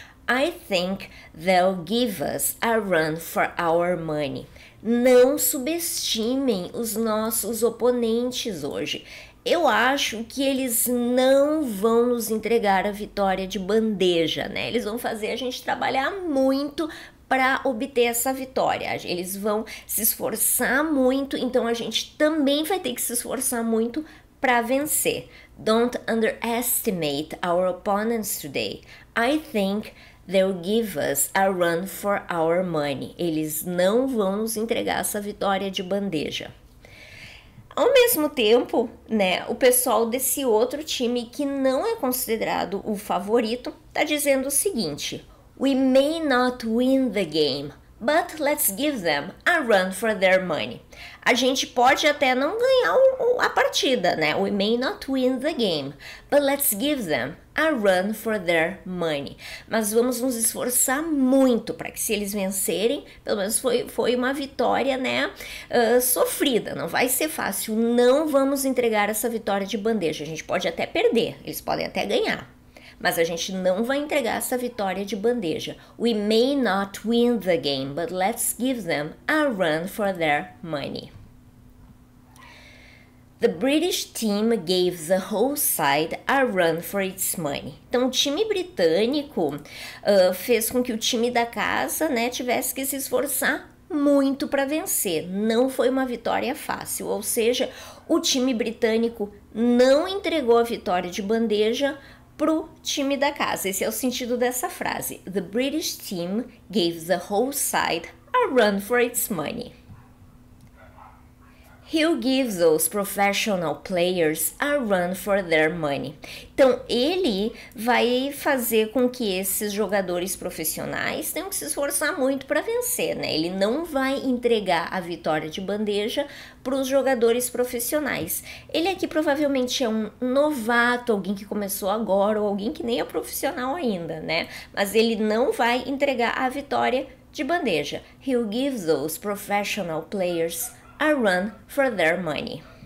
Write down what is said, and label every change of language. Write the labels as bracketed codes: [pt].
[en] I think they'll give us a run for our money. [pt] Não subestimem os nossos oponentes hoje. Eu acho que eles não vão nos entregar a vitória de bandeja, né? Eles vão fazer a gente trabalhar muito para obter essa vitória. Eles vão se esforçar muito, então a gente também vai ter que se esforçar muito para vencer. [en] Don't underestimate our opponents today. I think they'll give us a run for our money. [pt] Eles não vão nos entregar essa vitória de bandeja. Ao mesmo tempo, né, o pessoal desse outro time que não é considerado o favorito está dizendo o seguinte: [en] We may not win the game, but let's give them a run for their money. [pt] A gente pode até não ganhar a partida, né? [en] We may not win the game, but let's give them a run for their money. [pt] Mas vamos nos esforçar muito para que, se eles vencerem, pelo menos foi uma vitória, né? Sofrida, não vai ser fácil. Não vamos entregar essa vitória de bandeja. A gente pode até perder, eles podem até ganhar. Mas a gente não vai entregar essa vitória de bandeja. [en] We may not win the game, but let's give them a run for their money. The British team gave the whole side a run for its money. [pt] Então, o time britânico fez com que o time da casa, né, tivesse que se esforçar muito para vencer. Não foi uma vitória fácil. Ou seja, o time britânico não entregou a vitória de bandeja pro time da casa. Esse é o sentido dessa frase. [en] The British team gave the whole side a run for its money. He'll give those professional players a run for their money. [pt] Então, ele vai fazer com que esses jogadores profissionais tenham que se esforçar muito para vencer, né? Ele não vai entregar a vitória de bandeja para os jogadores profissionais. Ele aqui provavelmente é um novato, alguém que começou agora, ou alguém que nem é profissional ainda, né? Mas ele não vai entregar a vitória de bandeja. [en] He'll give those professional players a run for their money.